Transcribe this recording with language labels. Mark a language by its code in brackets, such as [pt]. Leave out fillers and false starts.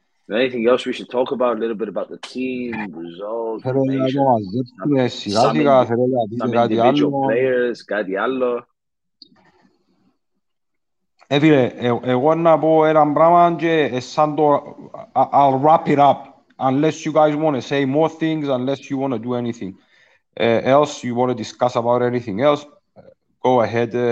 [en] Anything else we should talk about? A little bit about the team, results, some individual players, Gadiallo. [el] Φίλε, εγώ να πω έναν πράγμα και σαν το... [en] I'll wrap it up, unless you guys want to say more things, unless you want to do anything else, you want to discuss about anything else, go ahead.